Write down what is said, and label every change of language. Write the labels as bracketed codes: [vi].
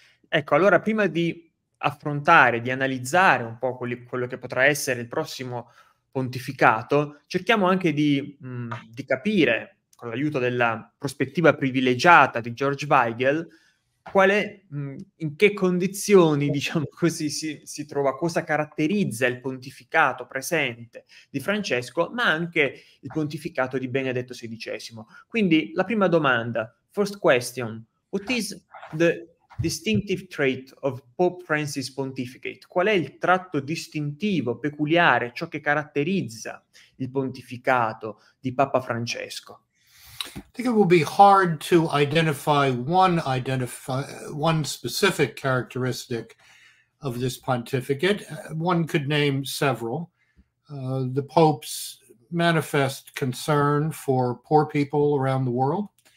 [it] Ecco, allora prima di affrontare, di analizzare un po' quello che potrà essere il prossimo pontificato, cerchiamo anche di capire, con l'aiuto della prospettiva privilegiata di George Weigel, qual è, in che condizioni, diciamo così, si trova, cosa caratterizza il pontificato presente di Francesco, ma anche il pontificato di Benedetto XVI. Quindi la prima domanda, [en] first question, what is the distinctive trait of Pope Francis Pontificate? [it] Qual è il tratto distintivo, peculiare, ciò che caratterizza il pontificato di Papa Francesco? [en] I think it will be hard to identify one specific characteristic of this pontificate. One could name several. The Pope's manifest concern for poor people around the world.